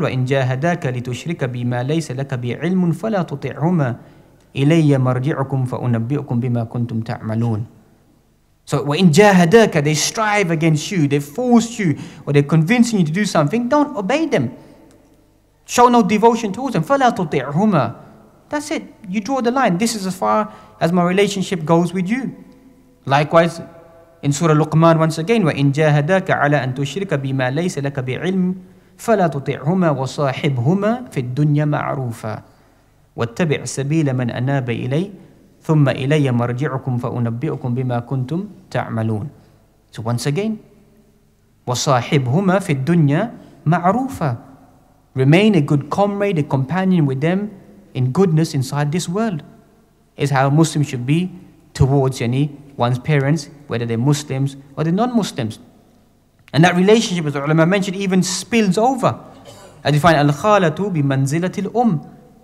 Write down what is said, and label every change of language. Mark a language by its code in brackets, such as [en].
[ar] وَإِن جَاهَدَاكَ لِتُشْرِكَ بِمَا لَيْسَ لَكَ بِعِلْمٌ فَلَا تُطِعْهُمَا إِلَيَّ مَرْجِعُكُمْ فَأُنَبِّئُكُمْ بِمَا كُنْتُمْ تَعْمَلُونَ. [en] So [ar] وَإِن جَاهَدَاكَ, [en] they strive against you, they force you, or they're convincing you to do something, don't obey them. Show no devotion towards them. [ar] فَلَا تُطِعْهُمَا. [en] That's it. You draw the line. This is as far as my relationship goes with you. Likewise, in Surah Luqman once again, [ar] وَإِن جَاهَدَاكَ عَلَى أَن تُشْرِكَ بِمَا لَيْسَ لَكَ بِعِلْمٍ فَلَا تُطِعْهُمَا وَصَاحِبْهُمَا فِي الدُّنْيَا مَعْرُوفًا وَاتَّبِعْ سَبِيلَ مَنْ أَنَابَ إِلَيْهِ ثُمَّ إِلَيَّ مَرْجِعُكُمْ فَأُنَبِّئُكُمْ بِمَا كُنْتُمْ تَعْمَلُونَ. [en] So once again, [ar] وَصَاحِبْهُمَا فِي الدُّنْيَا مَعْرُوفًا. [en] Remain a good comrade, a companion with them in goodness inside this world, is how a Muslim should be towards any one's parents, whether they're Muslims or they're non-Muslims. And that relationship, as the ulama mentioned, even spills over. As you find, al-khalatu bimanzilati al-um.